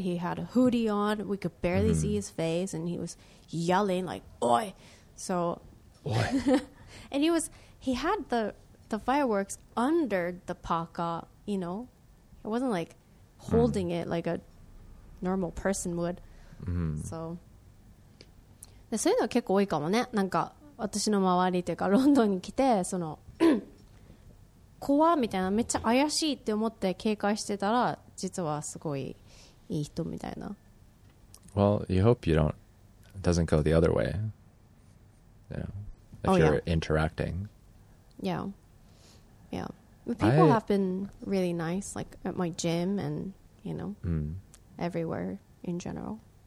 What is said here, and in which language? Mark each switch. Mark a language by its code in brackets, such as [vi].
[en] He had a hoodie on. We could barely see his face, and he was yelling like, "Oi!" So, and he had the fireworks under the paka, you know. It wasn't like holding it like a normal person would. Mm-hmm. So, so that's quite common, eh? Like. [ja] 私の周りというかロンドンに来てその怖みたいなめっちゃ怪しいって思って警戒してたら実はすごいいい人みたいな。 [en] Well, you hope you don't it doesn't go the other way. You know, if you're interacting. Yeah. Yeah. People have been really nice like at my gym and, you know, everywhere in general.